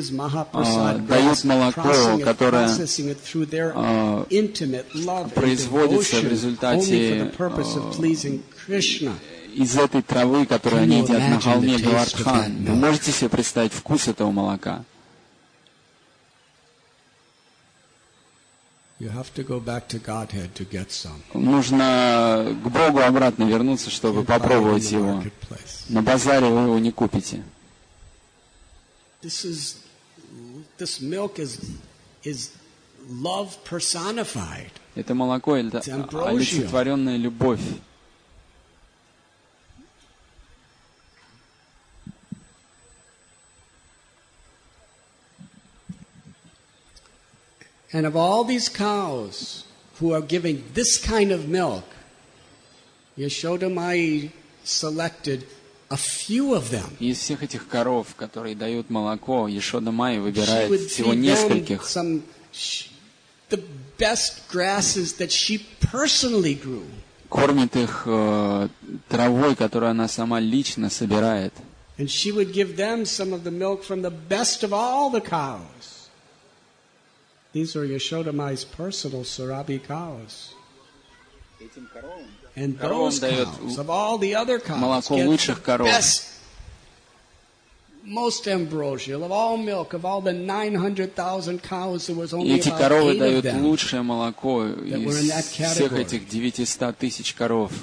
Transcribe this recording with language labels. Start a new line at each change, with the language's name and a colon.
Russian: дают молоко, которое производится в результате из этой травы, которую они едят на холме Говардхан. Вы можете себе представить вкус этого молока?
English: You have to go back to Godhead to get some.
Russian: Нужно к Богу обратно вернуться, чтобы попробовать его. На базаре вы его не купите.
English: This milk is love personified.
Russian: Это молоко, это олицетворенная любовь. And
English: of all these cows who are giving this kind of milk, Yashoda Mai selected a few of them.
Russian: Из всех этих коров, которые дают молоко, Yashoda Mai выбирает всего нескольких.
English: The best grasses that she personally grew.
Russian: Кормит их травой, которую она сама лично собирает.
English: And she would give them some of the milk from the best of all the cows. These are Yashoda Mai's personal Surabhi cows. And those cows, of all the other cows, get the best, most ambrosial of all milk, of all the 900,000 cows, there was only about 8 of them that were in that category.